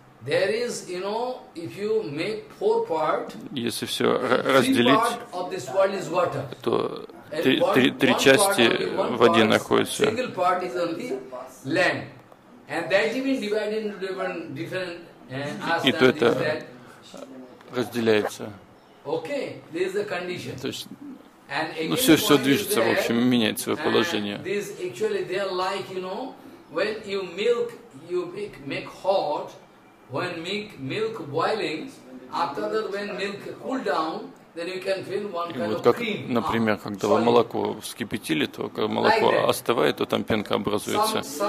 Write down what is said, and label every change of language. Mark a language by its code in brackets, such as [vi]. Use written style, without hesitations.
[en] There is, you know, if you make four part, [ru] если все разделить, то три части в воде находятся. [en] Single part is only land, and that even divided into different [ru] И то это разделяется. [en] Okay, this is the condition. [ru] То есть, ну все движется, в общем, меняет свое положение. [en] This actually they are like, you know, when you milk, you make hot. When milk boiling, after that when milk cool down, then you can feel one kind of cream. [ru] Например, когда вы молоко вскипятили, то когда молоко остывает, то там пенка образуется.